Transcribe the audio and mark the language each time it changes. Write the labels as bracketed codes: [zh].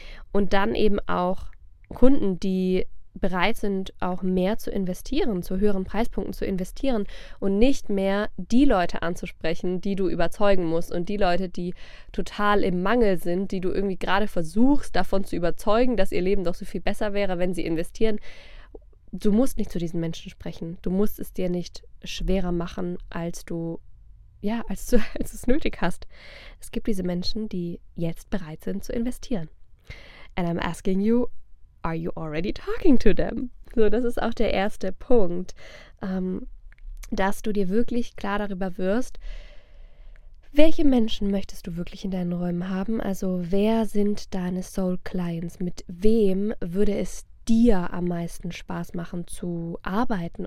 [de] Und dann eben auch Kunden, die bereit sind, auch mehr zu investieren, zu höheren Preispunkten zu investieren und nicht mehr die Leute anzusprechen, die du überzeugen musst und die Leute, die total im Mangel sind, die du irgendwie gerade versuchst, davon zu überzeugen, dass ihr Leben doch so viel besser wäre, wenn sie investieren. Du musst nicht zu diesen Menschen sprechen. Du musst es dir nicht schwerer machen, als du es nötig hast. Es gibt diese Menschen, die jetzt bereit sind zu investieren. [en] And I'm asking you, are you already talking to them? [de] So, das ist auch der erste Punkt, dass du dir wirklich klar darüber wirst, welche Menschen möchtest du wirklich in deinen Räumen haben? Also, wer sind deine Soul Clients? Mit wem würde es dir am meisten Spaß machen zu arbeiten?